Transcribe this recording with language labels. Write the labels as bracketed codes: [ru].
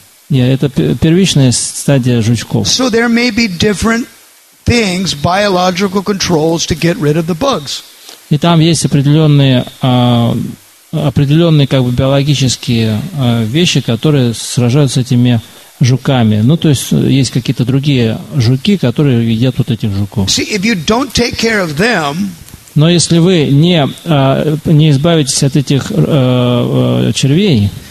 [ru] Нет, это первичная стадия жучков. [en] So there may be different things, biological controls to get rid of the bugs. [ru] И там есть определенные как бы биологические вещи, которые сражаются с этими жуками. Ну, то есть, есть какие-то другие жуки, которые едят вот этих жуков. [en] See, if you don't take care of them, [ru] но если вы не избавитесь от этих червей,